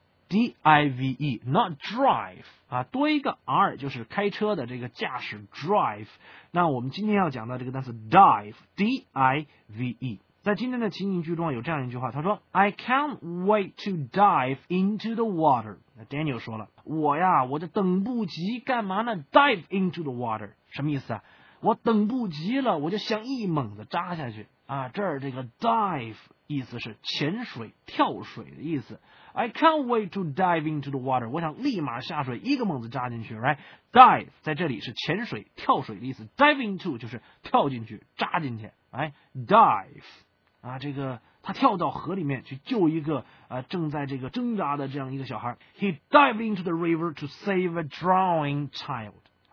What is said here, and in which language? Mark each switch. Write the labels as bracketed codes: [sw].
[zh] D-I-V-E, not drive, 啊，多一个 R 就是开车的这个驾驶 drive, 那我们今天要讲到这个单词 dive, D-I-V-E, 在今天的情景剧中有这样一句话，他说 [en] I can't wait to dive into the water, [zh] Daniel 说了，我呀，我就等不及干嘛呢 [en] dive into the water, [zh] 什么意思啊？我等不及了，我就想一猛子扎下去啊，这儿这个 dive 意思是潜水跳水的意思。 [en] I can't wait to dive into the water. [zh] 我想立马下水，一个猛子扎进去 ， [en] right? [zh] Dive 在这里是潜水、跳水的意思。 Dive into 就是跳进去、扎进去。 [en] Right? [zh] Dive 啊，这个他跳到河里面去救一个正在这个挣扎的这样一个小孩。 [en] He dived into the river to save a drowning child.